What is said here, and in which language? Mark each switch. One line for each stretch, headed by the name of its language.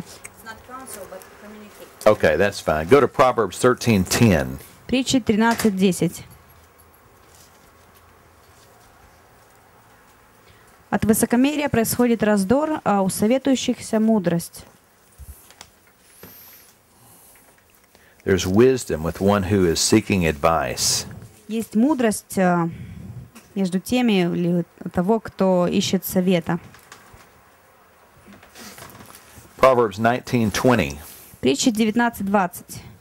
English: It's not counsel, but communicate. Okay, that's fine. Go to Proverbs 13:10.
Russian: Притчи 13:10. От высокомерия происходит раздор, а у советующихся мудрость.
English: There's wisdom with one who is seeking advice.
Russian: Есть мудрость между теми или того, кто ищет совета.
English: Proverbs 19:20.
Russian: Притчи 19:20.